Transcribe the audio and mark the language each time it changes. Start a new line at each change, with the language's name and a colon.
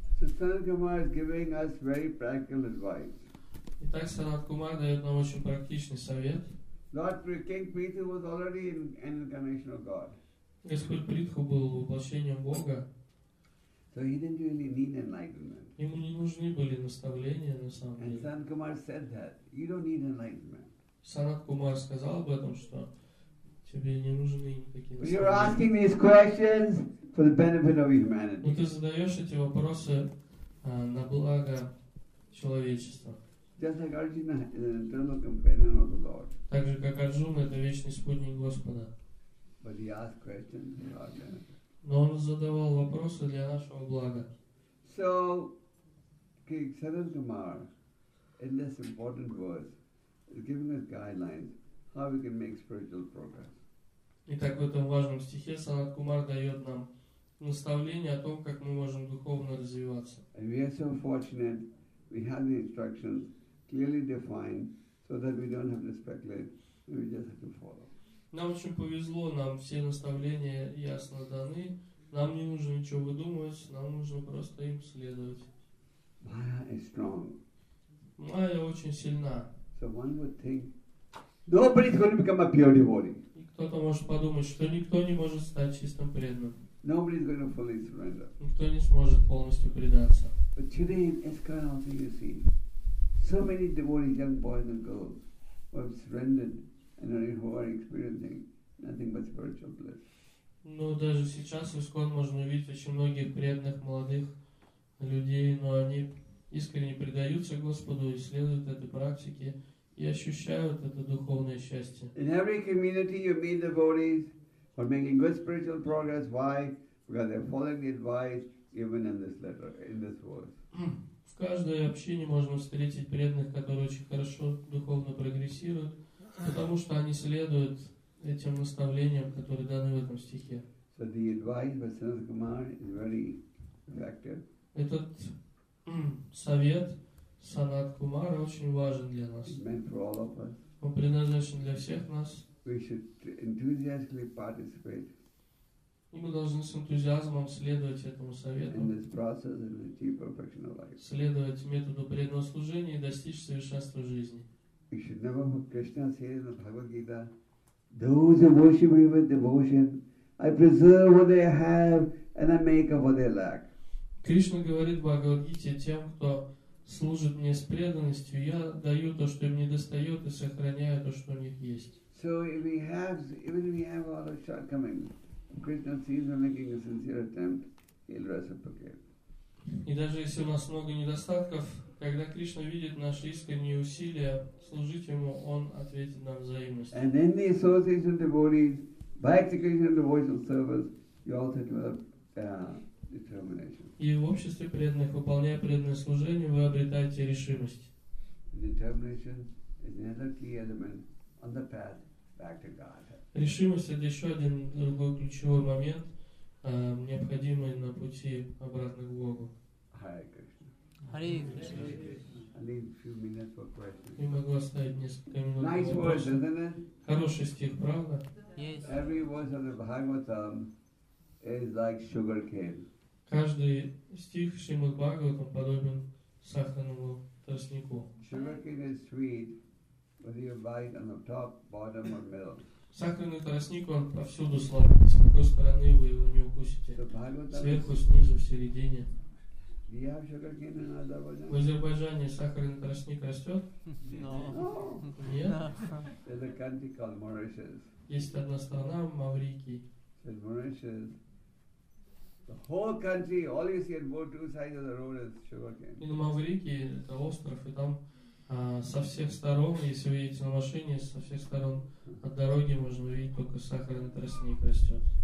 Russian: Итак, Санат Кумар дает нам очень практичный совет. Господь Притху был воплощением Бога.
English: So he didn't really need enlightenment.
Russian: Ему не нужны были наставления на самом деле.
English: And Sanat Kumar said that you don't need enlightenment.
Russian: Санат Кумар сказал об этом, что тебе не нужны никакие наставления.
English: You're asking these questions for the benefit of humanity.
Russian: Но ты задаешь эти вопросы на благо человечества.
English: Just like Arjuna, an eternal companion of the Lord.
Russian: Так же как Арджуна, это вечный спутник Господа.
English: But he asked questions for our benefit.
Russian: Но он задавал вопросы для нашего блага.
English: So, King Sanat Kumar, in this important verse, is giving us guidelines how we can make spiritual progress.
Russian: Итак, в этом важном стихе Санат Кумар дает нам наставление о том, как мы можем духовно развиваться.
English: And we are so fortunate we have the instructions clearly defined so that we don't have to speculate, we just have to follow.
Russian: Нам очень повезло, нам все наставления ясно даны, нам не нужно ничего выдумывать, нам нужно просто им следовать.
English: Maya is strong.
Russian: Майя очень сильна.
English: So one would think, nobody's going to become a pure devotee.
Russian: И кто-то может подумать, что никто не может стать чистым преданным.
English: Nobody's going to fully surrender.
Russian: Никто не сможет полностью предаться.
English: But today in Iskcon also you see, so many devotees, young boys and girls, who have surrendered. And only who are experiencing nothing but spiritual bliss.
Russian: Но даже сейчас в Искон можно увидеть очень многих преданных молодых людей, но они искренне предаются Господу и следуют этой практике и ощущают это духовное счастье.
English: In every community you meet devotees who are making good spiritual progress. Why? Because they're following the advice given in this letter, in this verse.
Russian: В каждой общине можно встретить преданных, которые очень хорошо духовно прогрессируют. Потому что они следуют этим наставлениям, которые даны в этом стихе.
English: So the advice by Sanat Kumar is very effective.
Russian: Этот совет Санат Кумара очень важен для нас.
English: It's meant for all of us.
Russian: Он предназначен для всех нас.
English: We should enthusiastically participate.
Russian: И мы должны с энтузиазмом следовать этому совету.
English: In this process and achieve perfection of life.
Russian: Следовать методу преданного служения и достичь совершенства жизни.
English: You should never forget, Krishna says in the Bhagavad Gita, those who worship me with devotion, I preserve what they have and I make up what they lack.
Russian: Кришна говорит в Бхагавад Гите тем, кто служит мне с преданностью, я даю то, что им недостает, и сохраняю то, что у них есть.
English: So if we have, even if we have all our shortcomings, Krishna sees we're making a sincere attempt, he'll reciprocate.
Russian: И даже если у нас много недостатков, когда Кришна видит наши искренние усилия служить ему, он ответит нам взаимностью.
English: And in the association of devotees, by execution of devotional service, you also develop determination.
Russian: И в обществе преданных, выполняя преданное служение, вы обретаете решимость.
English: Determination is another key element on the path back to Godhead.
Russian: Решимость — это еще один другой ключевой момент, необходимый на пути обратно к Богу.
English: Hare Krishna. Hare Krishna. I leave a few minutes for questions.
Russian: Я могу оставить несколько минут.
English: Nice verse, isn't it?
Russian: Хороший стих, правда?
English: Yes. Every verse of the Bhagavatam is like sugar cane.
Russian: Каждый стих Шримад Бхагаватам подобен сахарному тростнику.
English: Sugar cane is sweet, whether you bite on the top, bottom, or middle.
Russian: Сахарный тростник, он повсюду сладкий. С какой стороны вы его не укусите? Сверху, снизу, в середине.
English: Do you have sugar cane in Azerbaijan?
Russian: В Азербайджане сахарный тростник растет?
English: No. There's a country called Mauritius.
Russian: Есть одна страна, Маврики.
English: In Mauritius, the whole country, all you see on both two sides of the road is sugar cane.
Russian: На Маврики, это остров, и там со всех сторон, если вы едете на машине, со всех сторон от дороги можно увидеть только сахарный тростник растет.